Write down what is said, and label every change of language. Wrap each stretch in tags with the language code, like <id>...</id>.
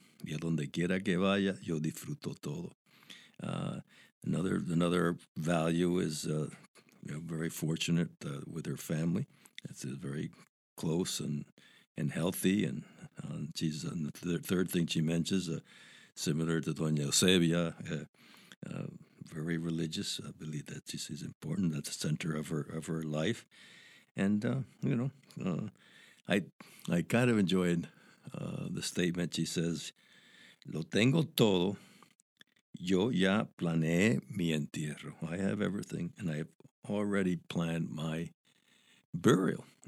<es>Y a donde quiera que vaya, yo disfruto todo.</es> <en>Another value is you know, very fortunate with her family. It's very close and healthy. And she's the third thing she mentions, similar to Doña Eusebia, very religious. I believe that this is important. That's the center of her life. And, you know, I kind of enjoyed the statement. She says,</en> <es>lo tengo todo. Yo ya planeé mi entierro.</es> <en>I have everything, and I have already planned my burial.</en>